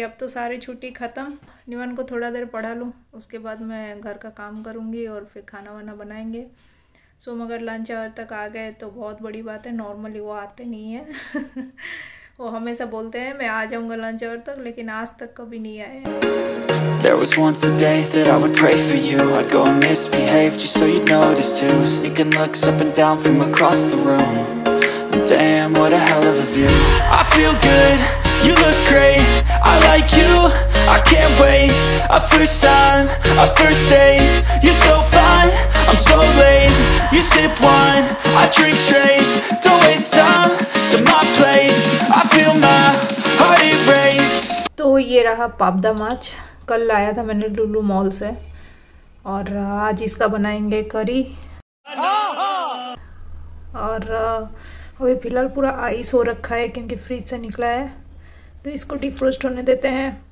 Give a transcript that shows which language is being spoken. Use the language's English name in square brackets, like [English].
[Hindi] अब तो सारी छुट्टी ख़त्म। निवान को थोड़ा देर पढ़ा लूँ, उसके बाद मैं घर का काम करूँगी और फिर खाना वाना बनाएंगे। सो मगर लंच आवर तक आ गए तो बहुत बड़ी बात है। नॉर्मली वो आते नहीं है। वो हमेशा बोलते हैं मैं आ जाऊंगा लंच आवर तक, लेकिन आज तक कभी नहीं आए। [English] There was once a day that I would pray for you. I'd go and misbehave just so you'd notice too. Sneaking looks up and down from across the room. And damn, what a hell of a view. I feel good, you look great. I like you, I can't wait. A first time, a first date. You're so fine, I'm so late. You sip wine, I drink straight. Don't waste time to my place. I feel my heart erase. [Hindi] तो ये रहा पाप the माच। कल लाया था मैंने Lulu mall से और आज इसका बनाएंगे करी। और अभी फिलहाल पूरा आइस हो रखा है क्योंकि फ्रिज से निकला है, तो इसको डिफ्रोस्ट होने देते हैं।